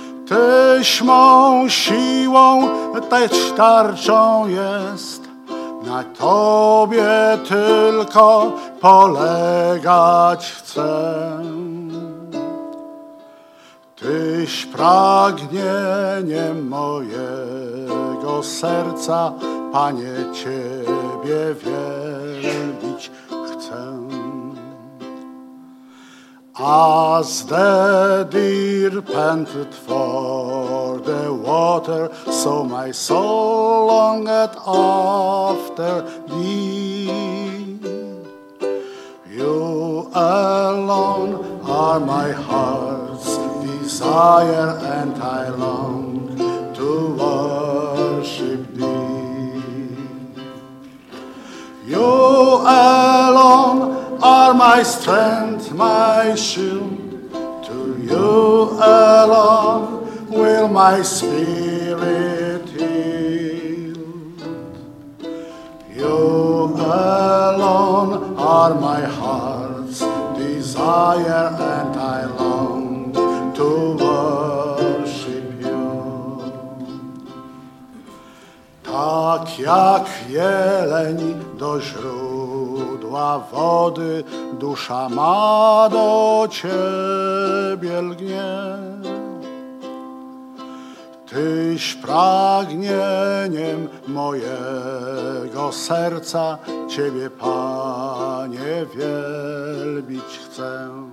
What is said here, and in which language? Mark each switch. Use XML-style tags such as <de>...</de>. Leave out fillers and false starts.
<pl>Tyś mą siłą, tyś tarczą jest, na Tobie tylko polegać chcę. Tyś pragnieniem mojego serca, Panie, ciebie wielbić chcę.</pl> <en>As the deer panted for the water, so my soul longed after thee. You alone are my heart's desire, and I long to worship thee. You alone are my strength, my shield. To you alone will my spirit yield. You alone are my heart's desire, and I long to worship you.</en> <pl>Tak jak jeleń do źródła wody dusza ma, do ciebie lgnie. Tyś pragnieniem mojego serca, ciebie, Panie, wielbić chcę.</pl>